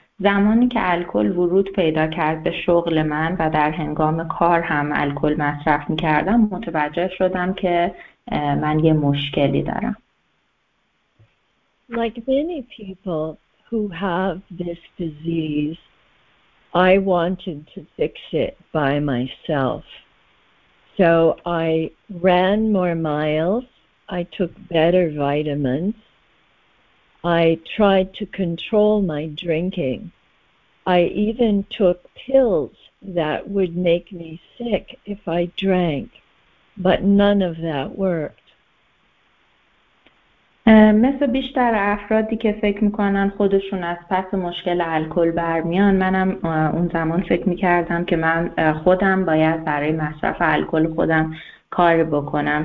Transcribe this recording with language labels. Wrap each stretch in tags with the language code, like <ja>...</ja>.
<fa>زمانی که الکل ورود پیدا کرد به شغل من و در هنگام کار هم الکل مصرف می کردم، متوجه شدم که من یه مشکلی دارم.</fa> <en>Like many people who have this disease, I wanted to fix it by myself. So I ran more miles, I took better vitamins, I tried to control my drinking. I even took pills that would make me sick if I drank, but none of that worked.</en> <fa>مثل بیشتر افرادی که فکر میکنن خودشون از پس مشکل الکل برمیان، منم اون زمان فکر میکردم که من خودم باید برای مصرف الکل خودم کار بکنم.</fa>